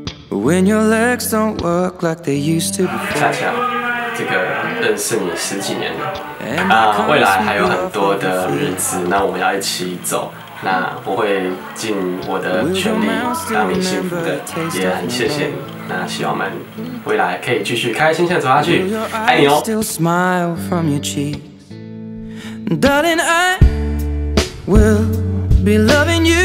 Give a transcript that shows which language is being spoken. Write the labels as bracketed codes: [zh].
[en] When your legs don't work like they used to before。 [zh] 恰恰这个认识你十几年了，未来还有很多的日子，那我们要一起走，那我会尽我的全力让你幸福的，也很谢谢你，那希望我们未来可以继续开心地走下去，爱你哦。 [en] Still smile from your cheek Darling I will be loving